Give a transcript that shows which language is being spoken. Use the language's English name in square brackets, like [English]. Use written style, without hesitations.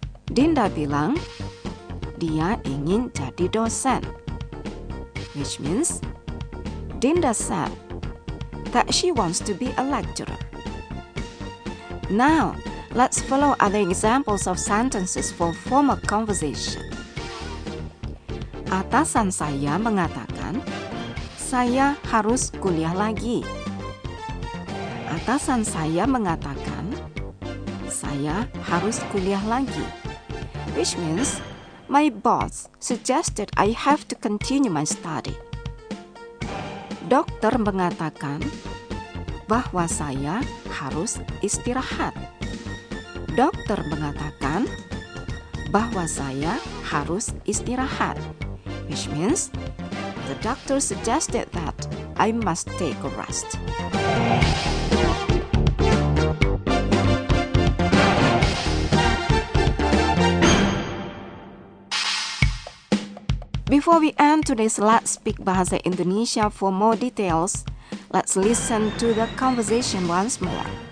[Indonesian] Dinda bilang dia ingin jadi dosen. [English] Which means, Dinda said that she wants to be a lecturer. Now, let's follow other examples of sentences for formal conversation. [Indonesian] Atasan saya mengatakan, saya harus kuliah lagi. Atasan saya mengatakan, saya harus kuliah lagi. [English] Which means, my boss suggested I have to continue my study. [Indonesian] Dokter mengatakan bahwa saya harus istirahat. Dokter mengatakan bahwa saya harus istirahat. [English] Which means, the doctor suggested that I must take a rest. Before we end today's Let's Speak Bahasa Indonesia, for more details, let's listen to the conversation once more.